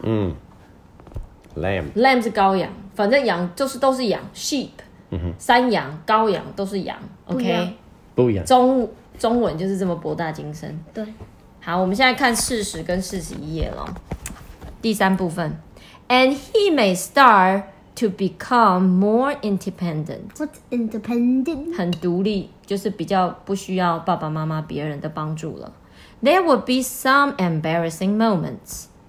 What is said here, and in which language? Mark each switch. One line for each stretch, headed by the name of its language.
English: 嗯 ，lamb
Chinese: 是羔羊，反正羊就是都是羊 ，sheep。嗯哼，山羊、羔羊都是羊 ，OK。不一样。中文就是这么博大精深。对。好，我们现在看四十跟四十一页喽，第三部分。
English: And he may start to become more independent. What's independent?
Chinese: 很独立，就是比较不需要爸爸妈妈、别人的帮助了。
English: There would be some embarrassing moments.